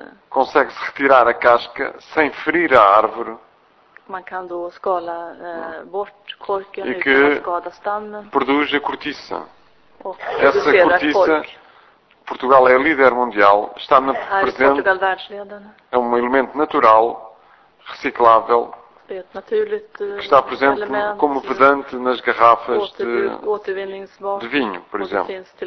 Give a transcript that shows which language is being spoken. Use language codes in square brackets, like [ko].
[pt] Consegue-se retirar a casca sem ferir a árvore. [sv] Man kan då skala bort korken [pt] e que [sv] skada stammen. [pt] Produz a cortiça. Essa cortiça... Portugal é líder mundial, está na presente, é um elemento natural, reciclável, que está presente como vedante nas garrafas de vinho, por exemplo.